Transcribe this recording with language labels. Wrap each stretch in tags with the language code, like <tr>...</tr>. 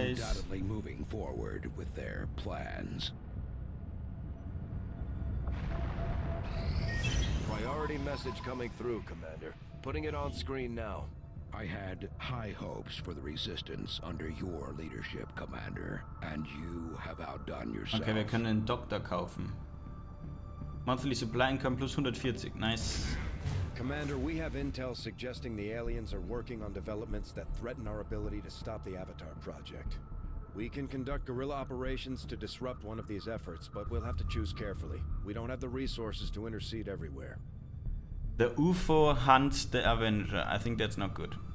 <en>undoubtedly moving forward with their plans. Priority message coming through, Commander. Putting it on screen now. I had high hopes for the resistance under your leadership, Commander, and you have outdone yourself.</en> <de>Okay, wir können einen Doktor kaufen.</de> <en>Monthly Supply Income plus 140.</en> <de>Nice.</de> <en>Commander, we have intel suggesting the aliens are working on developments that threaten our ability to stop the Avatar project. We can conduct guerrilla operations to disrupt one of these efforts, but we'll have to choose carefully. We don't have the resources to intercede everywhere. The UFO hunts the Avenger. I think that's not good.</en>